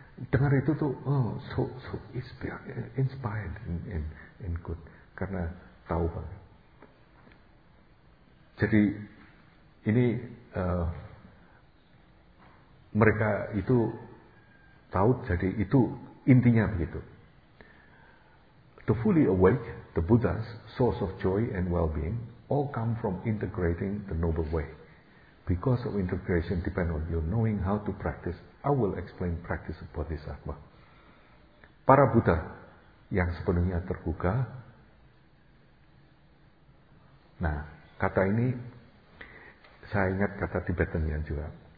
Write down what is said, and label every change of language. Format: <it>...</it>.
<id>Dengar itu tuh</id> <en>so inspired and good,</en> <id>karena tahu banget. Jadi ini mereka itu tahu, jadi itu intinya begitu.</id> <en>The fully awake, the Buddhas, source of joy and well-being, all come from integrating the noble way. Because of integration depend on your knowing how to practice, I will explain practice of Bodhisattva.</en> <id>Para Buddha yang sepenuhnya terbuka. Nah, kata ini saya ingat kata Tibetan yang juga.</id>